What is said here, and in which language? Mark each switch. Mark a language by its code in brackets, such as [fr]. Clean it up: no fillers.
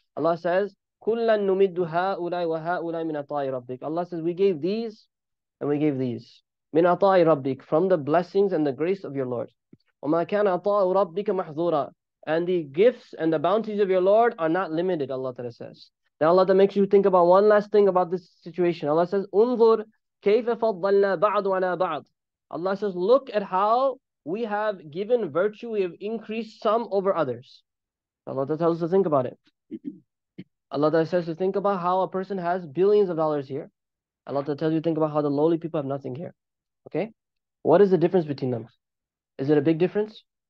[en] Allah says, [ar] كُلًّا نُمِدُّ هَؤُلَاءِ وَهَؤُلَاءِ مِنْ عَطَاءِ رَبِّكَ. [en] Allah says, we gave these and we gave these. [ar] مِنْ عَطَاءِ رَبِّكَ, [en] from the blessings and the grace of your Lord. [ar] وَمَا كَانَ عَطَاءُ رَبِّكَ مَحْظُورًا. [en] And the gifts and the bounties of your Lord are not limited, Allah Ta'ala says. Now Allah Ta'ala makes you think about one last thing about this situation. Allah says, [ar] انظر كيف فضلنا بعض على بعض. [en] Allah says, look at how we have given virtue, we have increased some over others. Allah Ta'ala tells us to think about it. Allah Ta'ala says to think about how a person has billions of dollars here. Allah Ta'ala tells you to think about how the lowly people have nothing here. Okay? What is the difference between them? Is it a big difference?